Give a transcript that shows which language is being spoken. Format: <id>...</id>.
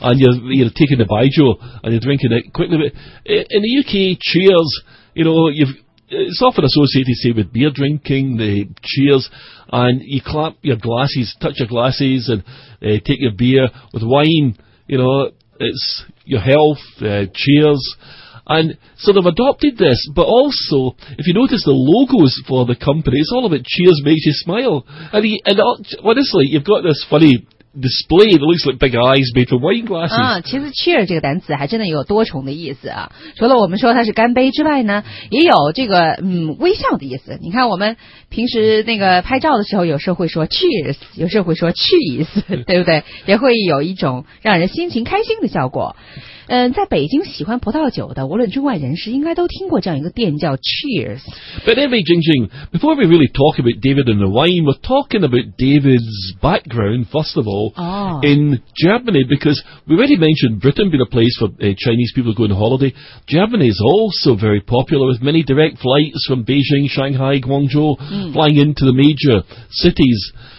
<en>And you're taking the baijiu and you're drinking it quickly. In the UK, cheers, you know, it's often associated, say, with beer drinking, the cheers, and you clap your glasses, touch your glasses and take your beer with wine, you know,It's your health,cheers. And so they've adopted this. But also, if you notice the logos for the company, it's all about cheers makes you smile. Honestly, you've got this funny display that looks like big eyes made from wine glasses.</en> <zh>其实 cheer 这个单词还真的有多重的意思啊。除了我们说它是干杯之外呢，也有这个微笑的意思。你看我们平时那个拍照的时候，有时候会说 cheers, 有时候会说 cheese, 对不对？也会有一种让人心情开心的效果。在北京喜欢葡萄酒的，无论中外人士，应该都听过这样一个店叫 Cheers。</zh> <en>But anyway, Jingjing, before we really talk about David and the wine, we're talking about David's background, first of all,、in Germany, because we already mentioned Britain being a place for、Chinese people going on holiday. Germany is also very popular with many direct flights from Beijing, Shanghai, Guangzhou,、flying into the major cities.</en>